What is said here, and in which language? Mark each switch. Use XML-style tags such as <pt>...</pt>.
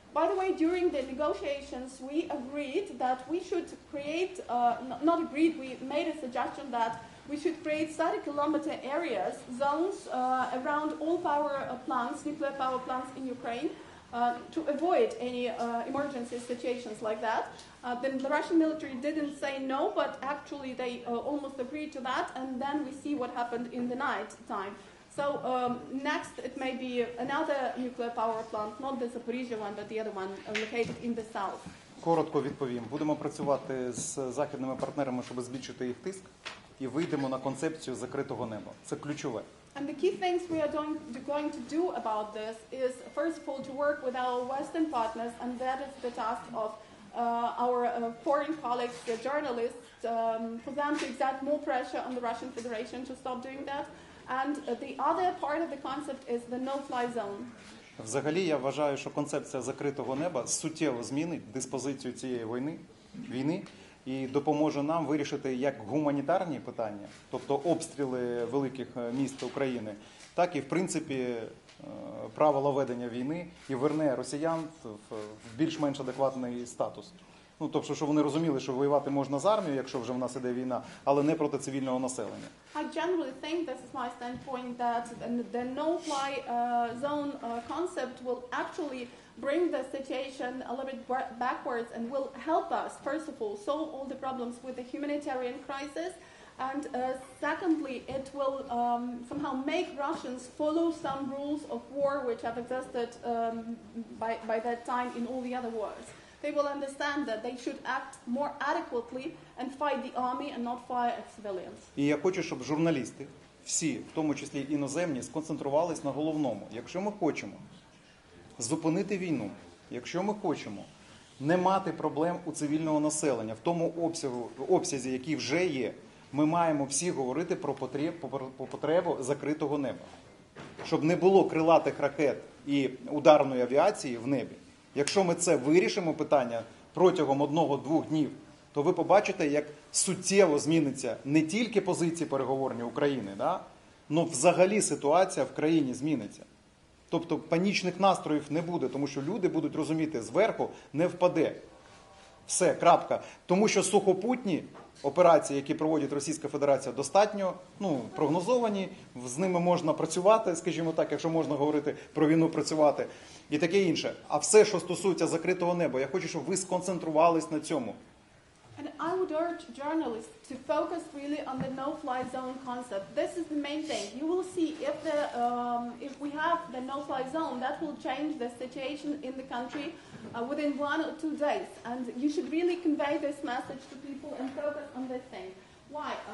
<en>By the way, during the negotiations, we agreed that we should create, not agreed, we made a suggestion that we should create 30-kilometer areas, zones around all power plants, nuclear power plants in Ukraine, to avoid any emergency situations like that. Then the Russian military didn't say no, but actually they almost agreed to that, and then we see what happened in the night time. So next it may be another nuclear power plant, not the Zaporizhia one, but the other one located in the south.</en> <uk>Коротко відповім. Будемо працювати з західними партнерами, щоб збільшити їх тиск, і вийдемо на концепцію закритого неба. Це ключове.</uk> <en>And the key things we are going to do about this is, first of all, to work with our Western partners, and that is the task of our foreign colleagues, the journalists, for them to exert more pressure on the Russian Federation to stop doing that. And the other part of the concept is the no-fly zone.</en> <uk>Взагалі, я вважаю, що концепція закритого неба суттєво змінить диспозицію цієї війни. І допоможе нам вирішити як гуманітарні питання, тобто обстріли великих міст України, так і, в принципі, правила ведення війни і верне росіян в більш-менш адекватний статус. Ну, тобто, що вони розуміли, що воювати можна з армією, якщо вже в нас іде війна, але не проти цивільного населення.</uk> <en>I generally think, this is my standpoint, that the no-fly zone concept will actually bring the situation a little bit backwards and will help us, first of all, solve all the problems with the humanitarian crisis. And secondly, it will somehow make Russians follow some rules of war which have existed by that time in all the other wars. They will understand that they should act more adequately and fight the army and not fire at civilians.</en> <uk>І я хочу, щоб журналісти, всі, в тому числі іноземні, сконцентрувались на головному. Якщо ми хочемо зупинити війну, якщо ми хочемо не мати проблем у цивільного населення в тому обсязі, який вже є, Ми маємо всі говорити про потребу закритого неба. Щоб не було крилатих ракет і ударної авіації в небі. Якщо ми це вирішимо питання протягом 1-2 днів, то ви побачите, як суттєво зміниться не тільки позиції переговорні України, да? Но взагалі ситуація в країні зміниться. Тобто панічних настроїв не буде, тому що люди будуть розуміти, зверху не впаде. Все, крапка. Тому що сухопутні операції, які проводить Російська Федерація, достатньо прогнозовані, з ними можна працювати, скажімо так, якщо можна говорити про війну працювати, і таке інше. А все, що стосується закритого неба, я хочу, щоб ви сконцентрувались на цьому.</uk> <en>And I would urge journalists to focus really on the no-fly zone concept. This is the main thing. You will see if the if we have the no-fly zone, that will change the situation in the country within 1 or 2 days. And you should really convey this message to people and focus on this thing. Why?</en>